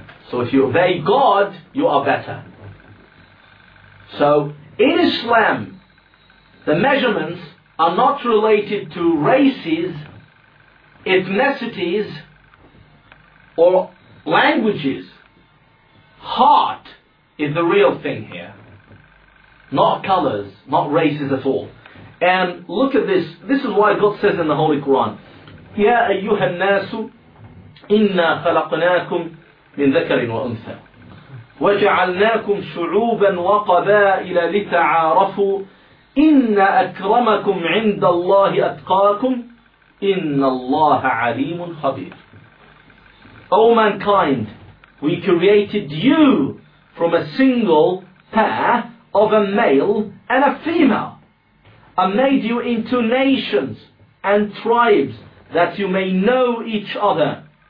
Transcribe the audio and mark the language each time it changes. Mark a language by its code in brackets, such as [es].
[en] So if you obey God, you are better. So in Islam, the measurements are not related to races, ethnicities, or languages. Heart is the real thing here. Not colors, not races at all. And look at this. This is why God says in the Holy Quran, [ar] يَا أَيُّهَا النَّاسُ إِنَّا خَلَقْنَاكُمْ مِنْ ذَكَرٍ وَأُنْثَى وَجَعَلْنَاكُمْ شُعُوبًا وَقَبَائِلَ لِتَعَارَفُوا إِنَّ أَكْرَمَكُمْ عِنْدَ اللَّهِ أَتْقَاكُمْ إِنَّ اللَّهَ عَلِيمٌ خَبِيرٌ. [en] O mankind, we created you from a single pair of a male and a female, and made you into nations and tribes that you may know each other.